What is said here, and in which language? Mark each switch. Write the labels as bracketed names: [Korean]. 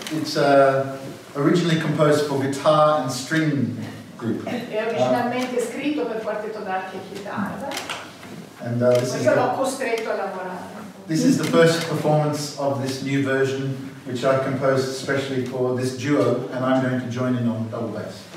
[English] It's originally composed for guitar and string group. [Italian] È originalmente scritto per quartetto d'archi e chitarra. [English] And this is [Italian] l'ho costretto a lavorare. [English] This is the first performance of this new version, which I composed especially for this duo, and I'm going to join in on double bass.